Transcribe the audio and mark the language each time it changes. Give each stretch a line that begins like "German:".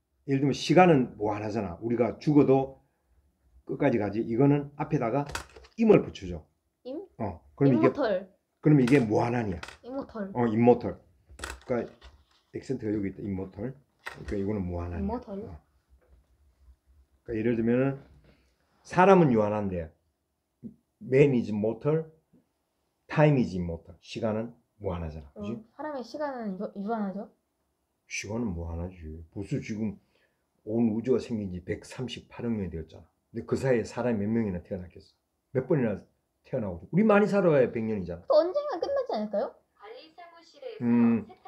Korean: 예를 들면 시간은 무한하잖아. 우리가 죽어도 끝까지 가지. 이거는 앞에다가 임을 붙여줘. 임모털. 그러면 이게 무한한이야. 임모털. 임모털. 그러니까 액센트가 여기 있다. 임모털. 그러니까 이거는 무한한이야. 임모털. 그러니까 예를 들면 사람은 유한한데
English: man is mortal, time is immortal.
Korean: 시간은 무한하잖아. 그지? 사람의 시간은 유한하죠? 시간은 무한하지. 무슨 지금 온 우주가 생긴 지 138억 년이 되었잖아. 근데 그 사이에 사람이 몇 명이나 태어났겠어? 몇 번이나 태어나고. 우리 많이 살아야 100년이잖아. 언젠가 끝나지 않을까요? 관리 사무실에서